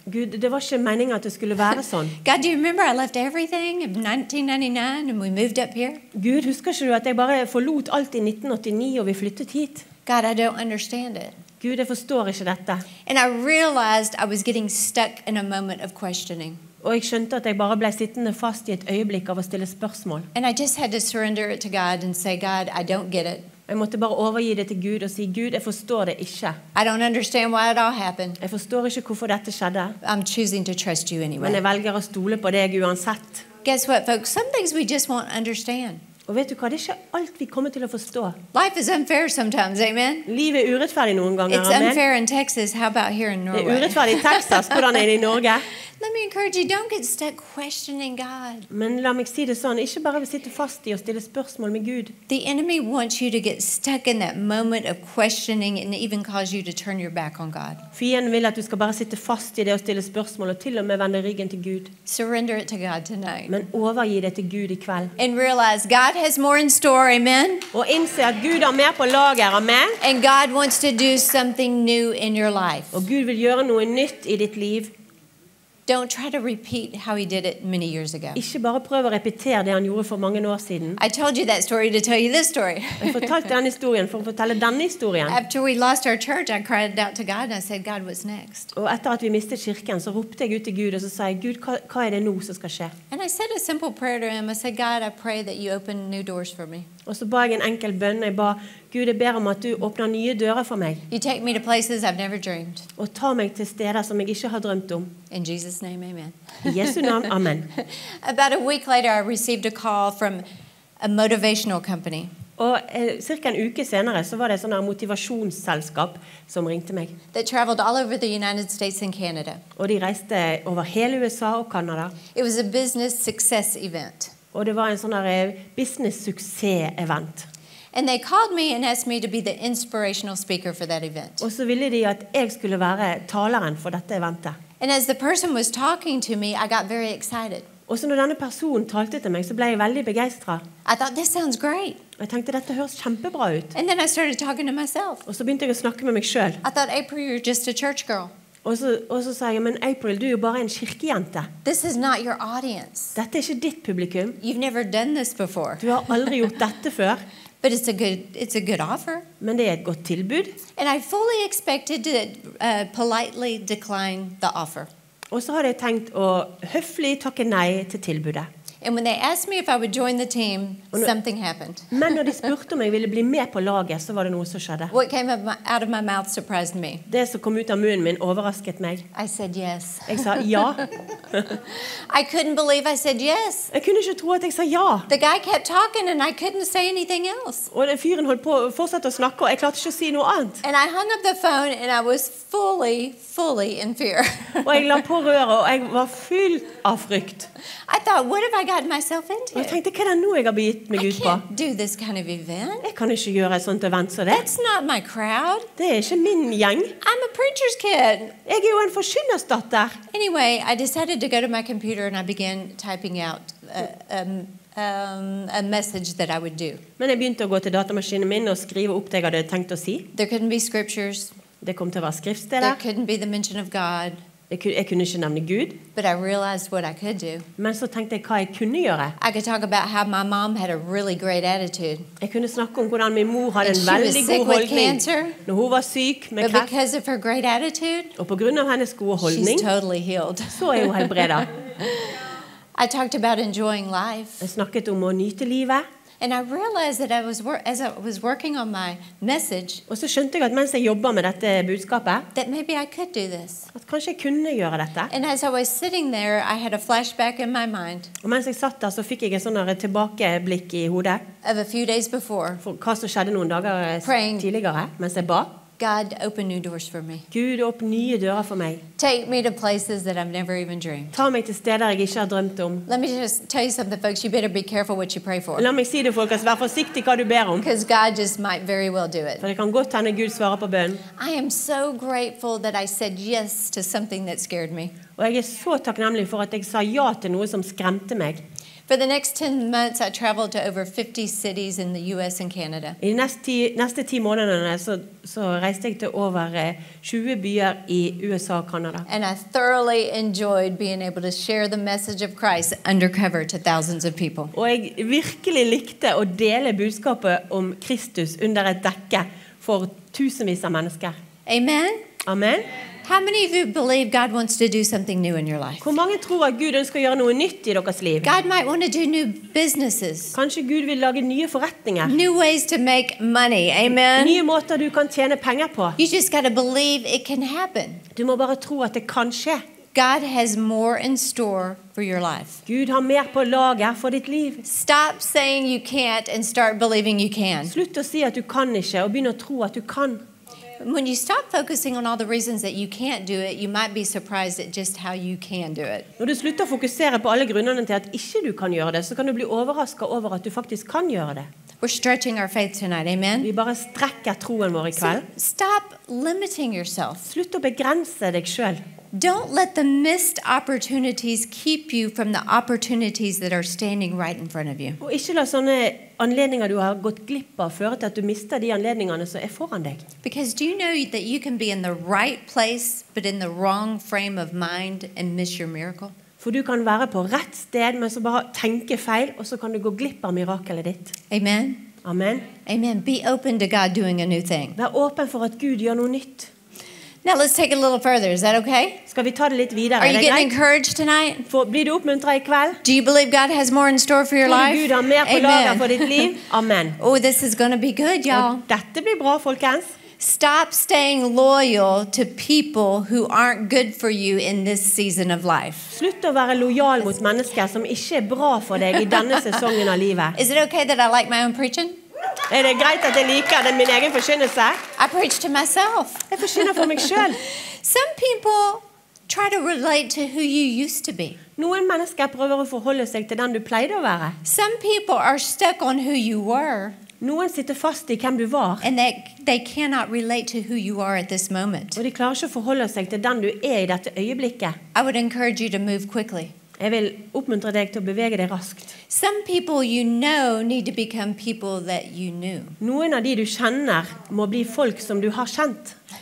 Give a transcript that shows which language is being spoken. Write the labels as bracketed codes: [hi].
[no] Gud, det var ikke meningen at det skulle være sånn. [en] God, do you remember I left everything in 1999 and we moved up here? [no] Gud, husker ikke du at jeg bare forlot alt i 1989 og vi flyttet hit? [en] God, I don't understand it. [no] Gud, jeg forstår ikke dette. [en] And I realized I was getting stuck in a moment of questioning. [no] Og jeg skjønte at jeg bare ble sittende fast i et øyeblikk av å stille spørsmål. [en] And I just had to surrender it to God and say, God, I don't get it. [no] Jeg måtte bare overgi det til Gud og si, Gud, jeg forstår det ikke. [en] I don't understand why it all happened. [no] Jeg forstår ikke hvorfor dette skjedde. [en] I'm choosing to trust you anyway. [no] Men jeg velger å stole på deg uansett. [en] Guess what, folks? Some things we just won't understand. [no] Og vet du hva? Det er ikke alt vi kommer til å forstå. [en] Life is unfair sometimes, amen? [no] Livet er urettferdig noen ganger, [en] amen? It's unfair in Texas. How about here in Norway? [no] Det er urettferdig i Texas. Hvordan er det i Norge? [en] Let me encourage you, don't get stuck questioning God. [no] Men la meg si det sånn, ikke bare vi sitter fast i og stiller spørsmål med Gud. [en] The enemy wants you to get stuck in that moment of questioning and even cause you to turn your back on God. [no] Fienden vil at du skal bare sitte fast i det og stille spørsmål og til og med vende ryggen til Gud. [en] Surrender it to God tonight. [no] Men overgi det til Gud i kveld. [en] And realize God has more in store, amen? [no] Og innse at Gud har mer på lager, amen? [en] And God wants to do something new in your life. [no] Og Gud vil gjøre noe nytt i ditt liv. [en] Don't try to repeat how he did it many years ago. [no] Ikke bare prøve å repetere det han gjorde for mange år siden. [en] I told you that story to tell you this story. [no] Jeg fortalte den historien for å fortelle denne historien. [en] After we lost our church, I cried out to God and I said, God, what's next? [no] Og etter at vi mistet kirken, så ropte jeg ut til Gud og så sa jeg, Gud, hva er det nå som skal skje? [en] And I said a simple prayer to him. I said, God, I pray that you open new doors for me. [no] Og så ba jeg en enkel bønn. Jeg ba, Gud, jeg ber om at du åpner nye dører for meg. [en] You take me to places I've never dreamed. [no] Og ta meg til steder som jeg ikke har drømt om. [en] In Jesus' name, amen. [no] I Jesu navn, amen. [en] About a week later, I received a call from a motivational company. [no] Og cirka en uke senere, så var det sånn her motivasjonsselskap som ringte meg. [en] They traveled all over the United States and Canada. [no] Og de reiste over hele USA og Canada. [en] It was a business success event. [no] Og det var en sånn her business-suksess-event. [en] And they called me and asked me to be the inspirational speaker for that event. [no] Og så ville de at jeg skulle være taleren for dette eventet. [en] And as the person was talking to me, I got very excited. [no] Og så når denne personen talte til meg, så ble jeg veldig begeistret. [en] I thought, this sounds great. [no] Og jeg tenkte, dette høres kjempebra ut. [en] And then I started talking to myself. [no] Og så begynte jeg å snakke med meg selv. [en] I thought, April, you're just a church girl. [no] Og så sa jeg, men April, du er jo bare en kirkejente. [en] This is not your audience. [no] Dette er ikke ditt publikum. [en] You've never done this before. [no] Du har aldri gjort dette før. [en] But it's a good offer. [no] Men det er et godt tilbud. [en] And I fully expected to politely decline the offer. [no] Og så hadde jeg tenkt å høflig takke nei til tilbudet. [en] And when they asked me if I would join the team, something happened. [no] Men når de spurte om jeg ville bli med på laget, så var det noe som skjedde. [en] What came out of my mouth surprised me. [no] Det som kom ut av munnen min overrasket meg. [en] I said yes. [no] Jeg sa ja. [en] I couldn't believe I said yes. [no] Jeg kunne ikke tro at jeg sa ja. [en] The guy kept talking and I couldn't say anything else. [no] Og den fyren holdt på og fortsatte å snakke, og jeg klarte ikke å si noe annet. [en] And I hung up the phone and I was fully in fear. [no] Og jeg la på røret, og jeg var full av frykt. [en] I thought, what have I gotten myself into? [no] Jeg tenkte, hva er det nå jeg har begitt meg ut på? [en] I can't do this kind of event. [no] Jeg kan ikke gjøre et sånt event som det. [en] That's not my crowd. [no] Det er ikke min gjeng. [en] I'm a preacher's kid. [no] Jeg er jo en forkynnersdatter. [en] Anyway, I decided to go to my computer and I began typing out a message that I would do. [no] Men jeg begynte å gå til datamaskinen min og skrive opp det jeg hadde tenkt å si. [en] There couldn't be scriptures. [no] Det kom til å være skriftsteder. [en] There couldn't be the mention of God. [no] Jeg kunne ikke nevne Gud. [en] But I realized what I could do. [no] Men så tenkte jeg hva jeg kunne gjøre. [en] I could talk about how my mom had a really great attitude. [no] Jeg kunne snakke om hvordan min mor hadde [en] and [no] en veldig god holdning. [en] She was sick with cancer. [no] Når hun var syk med kreft. [en] But because of her great attitude. [no] Og på grunn av hennes gode holdning. [en] She's totally healed. [no] Så er hun helbredet. [en] I talked about enjoying life. [no] Jeg snakket om å nyte livet. [en] And I realized that as I was working on my message, [no] og så skjønte jeg at mens jeg jobbet med dette budskapet, [en] that maybe I could do this. [no] At kanskje jeg kunne gjøre dette. [en] And as I was sitting there, I had a flashback in my mind. [no] Og mens jeg satt der, så fikk jeg en sånn tilbakeblikk i hodet. [en] Of a few days before. [no] For hva som skjedde noen dager [en] praying, [no] tidligere, mens jeg ba. [en] God, open new doors for me. [no] Gud, åpne nye dører for meg. [en] Take me to places that I've never even dreamed. [no] Ta meg til steder jeg ikke har drømt om. [en] Let me just tell you something, folks. You better be careful what you pray for. [no] La meg si det, folkens. Vær forsiktig hva du ber om. [en] Because God just might very well do it. [no] For det kan godt hende Gud svarer på bønn. [en] I am so grateful that I said yes to something that scared me. [no] Og jeg er så takknemlig for at jeg sa ja til noe som skremte meg. [en] For the next 10 months, I traveled to over 50 cities in the U.S. and Canada. [no] I neste 10 månedene så reiste jeg til over 20 byer i USA og Canada. [en] And I thoroughly enjoyed being able to share the message of Christ undercover to thousands of people. [no] Og jeg virkelig likte å dele budskapet om Kristus under et dekke. for tusenvis av mennesker. [en] Amen. [no] Amen. [en] How many of you believe God wants to do something new in your life? [no] Hvor mange tror at Gud ønsker å gjøre noe nytt i deres liv? [en] God might want to do new businesses. [no] Kanskje Gud vil lage nye forretninger. [en] New ways to make money. Amen. [no] Nye måter du kan tjene penger på. [en] You just got to believe it can happen. [no] Du må bare tro at det kan skje. [en] God has more in store for your life. [no] Gud har mer på lager for ditt liv. [en] Stop saying you can't and start believing you can. [no] Slutt å si at du kan ikke og begynn å tro at du kan. [en] When you stop focusing on all the reasons that you can't do it, you might be surprised at just how you can do it. [no] Når du slutter å fokusere på alle grunnene til at ikke du kan gjøre det, så kan du bli overrasket over at du faktisk kan gjøre det. [en] We're stretching our faith tonight, amen? [no] Vi bare strekker troen vår I kveld. [en] So, stop limiting yourself. [no] Slutt å begrense deg selv. [en] Don't let the missed opportunities keep you from the opportunities that are standing right in front of you. [no] Og ikke la sånne anledninger du har gått glipp av føre til at du mister de anledningene som foran deg. [en] Because do you know that you can be in the right place but in the wrong frame of mind and miss your miracle? [no] For du kan være på rett sted men så bare tenke feil og så kan du gå glipp av mirakelet ditt. [en] Amen. [no] Amen. [en] Amen. Be open to God doing a new thing. [no] Vær åpen for at Gud gjør noe nytt. [en] Now let's take it a little further. Is that okay? [no] Skal vi ta det litt videre? [en] Are you getting encouraged tonight? [no] Blir du oppmuntret I kveld? [en] Do you believe God has more in store for your life? [no] Gud har mer på lager for ditt liv? Amen. [en] Oh, this is going to be good, y'all. [no] Dette blir bra, folkens. [en] Stop staying loyal to people who aren't good for you in this season of life. [no] Slutt å være lojal mot mennesker som ikke bra for deg I denne sesongen av livet. [en] Is it okay that I like my own preaching? [no] Det greit at jeg liker det, min egen forkynnelse? [en] I preach to myself. [no] Jeg forkynner for meg selv. [en] Some people try to relate to who you used to be. [no] Noen mennesker prøver å forholde seg til den du pleide å være. [en] Some people are stuck on who you were. [no] Noen sitter fast I hvem du var. [en] And they cannot relate to who you are at this moment. [no] Og de klarer ikke å forholde seg til den du I dette øyeblikket. [en] I would encourage you to move quickly. [no] Jeg vil oppmuntre deg til å bevege deg raskt. [en] Some people you know need to become people that you knew. [no] Noen av de du kjenner må bli folk som du har kjent.